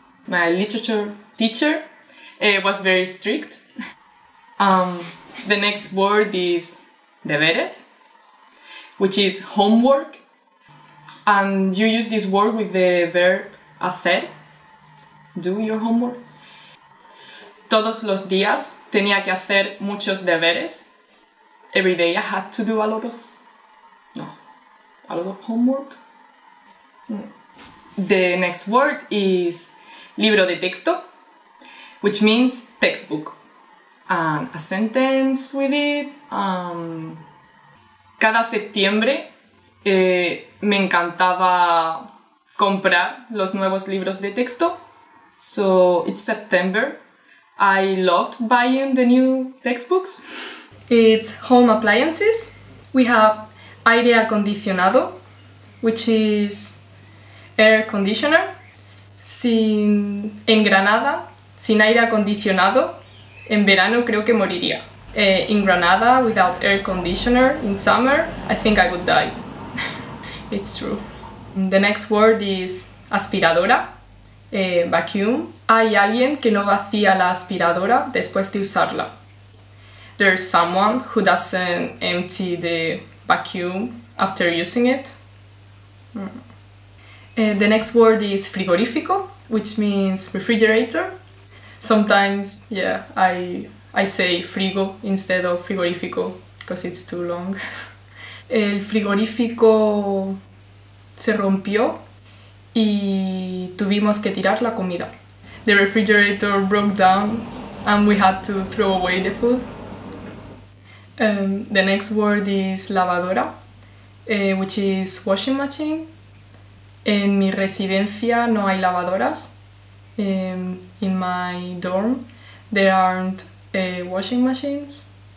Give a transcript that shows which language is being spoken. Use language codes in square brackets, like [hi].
[en] My literature teacher was very strict. The next word is deberes, which is homework. And you use this word with the verb hacer, do your homework. [es] Todos los días tenía que hacer muchos deberes. [en] Every day I had to do a lot of homework. The next word is libro de texto, which means textbook. And a sentence with it. [es] Cada septiembre me encantaba comprar los nuevos libros de texto. [en] So it's September. I loved buying the new textbooks. It's home appliances. We have aire acondicionado, which is air conditioner. [es] En Granada, sin aire acondicionado, en verano creo que moriría. [en] In Granada, without air conditioner, in summer, I think I would die. It's true. The next word is aspiradora, vacuum. [es] Hay alguien que no vacía la aspiradora después de usarla. [en] There's someone who doesn't empty the vacuum after using it. The next word is frigorífico, which means refrigerator. Sometimes, I say frigo instead of frigorífico because it's too long. [es] El frigorífico se rompió y tuvimos que tirar la comida. [en] The refrigerator broke down and we had to throw away the food. The next word is lavadora, which is washing machine. [es] En mi residencia no hay lavadoras. [en] In my dorm, there aren't washing machines.